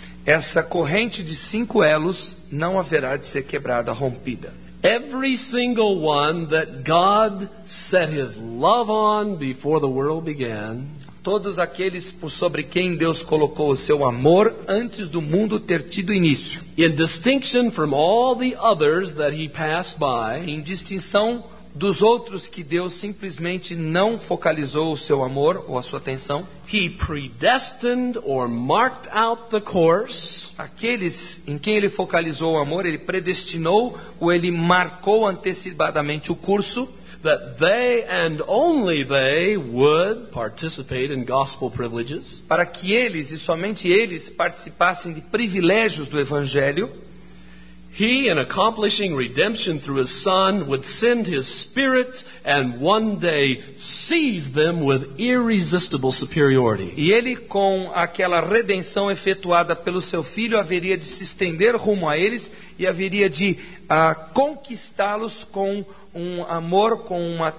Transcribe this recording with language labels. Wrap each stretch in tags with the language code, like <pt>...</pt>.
<pt>Essa corrente de cinco elos não haverá de ser quebrada, rompida.</pt> <en>Every single one that God set his love on before the world began.</en> <pt>Todos aqueles por sobre quem Deus colocou o seu amor antes do mundo ter tido início.</pt> <en>In distinction from all the others that he passed by,</en> <pt>em distinção dos outros que Deus simplesmente não focalizou o seu amor ou a sua atenção,</pt> <en>he predestined or marked out the course,</en> <pt>aqueles em quem ele focalizou o amor, ele predestinou ou ele marcou antecipadamente o curso,</pt> <en>that they and only they would participate in gospel privileges,</en> <pt>para que eles e somente eles participassem de privilégios do evangelho.</pt> <en>He, in accomplishing redemption through his son, would send his spirit and one day seize them with irresistible superiority.</en> <pt>E ele, com aquela redenção efetuada pelo seu filho, haveria de se estender rumo a eles e haveria de conquistá-los com um amor, com</pt>